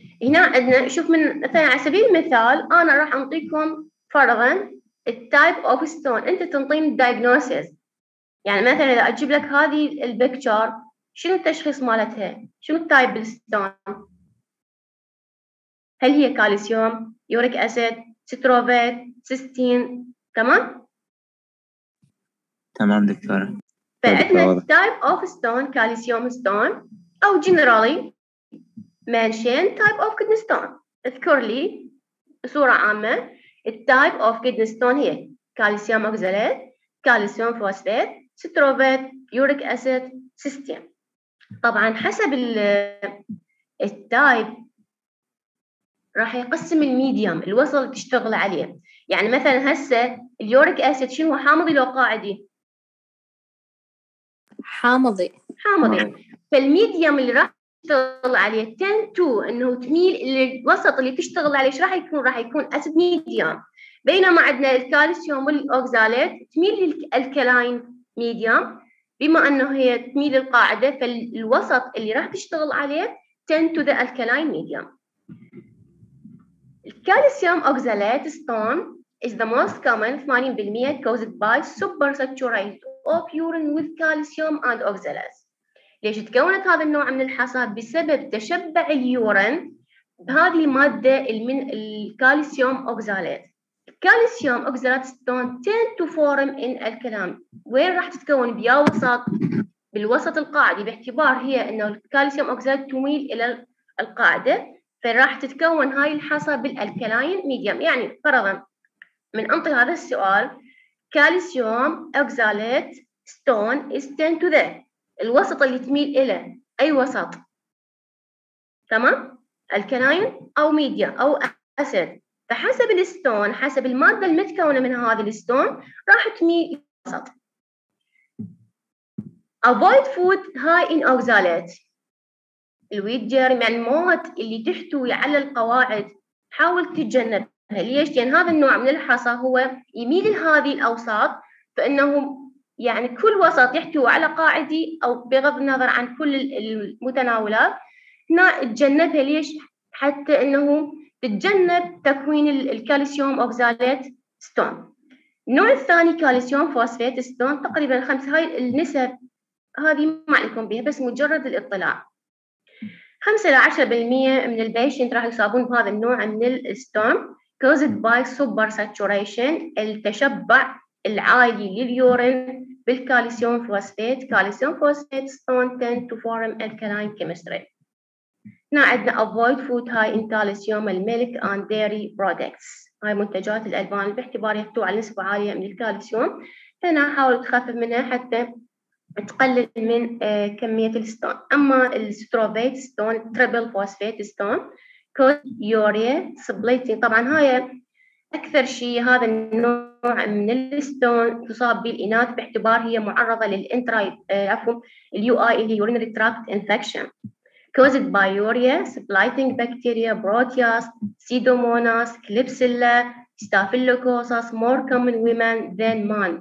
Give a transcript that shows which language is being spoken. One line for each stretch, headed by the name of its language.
Arabic: هنا عندنا شوف من مثلا على سبيل المثال أنا راح أعطيكم فرضا التايب أوف ستون أنت تنطيني الدايجنوسيس. يعني مثلا إذا أجيب لك هذه البكتشر شنو التشخيص مالتها؟ شنو التايب الستون؟ هل هي كالسيوم؟ يوريك أسيد؟ سيتروفيت سيستين تمام؟ تمام دكتورة.
English: فعندنا type of stone calcium stone أو generally mention type of kidney stone.
Arabic: اذكر لي بصورة عامة
English: type of kidney stone هي calcium oxalate calcium phosphate struvite uric acid cystine.
Arabic: طبعا حسب التايب راح يقسم الميديوم الوصل تشتغل عليه. يعني مثلا هسه اليوريك اسيد شنو حامضي لو قاعدي؟ حامضي. فالميديوم اللي راح تشتغل عليه تن تو انه تميل الوسط اللي تشتغل عليه راح يكون اسيد ميديوم. بينما عندنا الكالسيوم والاوكزاليت تميل الكلاين ميديوم بما انه هي تميل القاعده فالوسط اللي راح تشتغل عليه تن تو ذا الكلاين ميديوم.
English: Calcium oxalate stone is the most common 80% caused by supersaturation of urine with calcium and oxalase.
Arabic: ليش تكونت هذا النوع من الحصى؟ بسبب تشبع اليورين بهذه المادة من الكالسيوم أوكزالات.
English: Calcium oxalate stone tend to form in alkaline.
Arabic: وين راح تتكون؟ بيا وسط بالوسط القاعدي باعتبار هي انه الكالسيوم أوكزالات تميل الى القاعدة. فراح تتكون هاي الحصى بالالكلاين ميديوم. يعني فرضا من انطي هذا السؤال كالسيوم اوكزاليت ستون از تن تو ذا الوسط اللي تميل اله اي وسط تمام الكلاين او ميديا او اسيد فحسب الستون حسب الماده المتكونه من هذا الستون راح تميل وسط.
English: Avoid food high in oxalate.
Arabic: الويت جيرم يعني المواد اللي تحتوي على القواعد حاول تتجنبها. ليش؟ لان يعني هذا النوع من الحصى هو يميل لهذه الاوساط فانه يعني كل وسط يحتوى على قاعدي أو بغض النظر عن كل المتناولات هنا تجنبها. ليش؟ حتى أنه تتجنب تكوين الكالسيوم أوكزاليت ستون. النوع الثاني كالسيوم فوسفيت ستون تقريبا 5. هاي النسب هذه ما عليكم بها بس مجرد الاطلاع. 5-10% من البيشنت راح يصابون بهذا النوع من الستون كوزد باي سوبر ساتوريشن، التشبع العالي لليورين بالكالسيوم فوسفيت.
English: Calcium phosphate stone tend to form alkaline chemistry.
Arabic: هنا عندنا
English: avoid food high in calcium and milk and dairy products.
Arabic: هاي منتجات الألبان باحتبار يحتوى على نسبة عالية من الكالسيوم، هنا حاول تخفف منها حتى تقلل من كمية الستون. أما الستروفيت ستون تريبل فوسفيت ستون كود يوريا سبليتين، طبعا هاي أكثر شيء هذا النوع من الستون تصاب بالإناث باحتبار هي معرضة للإنترا عفوا اليو آي اللي يورينري تراكت انفكشن
English: caused by urea, splitting bacteria, proteas, pseudomonas, klebsiella, staphylococcus, more common women than men.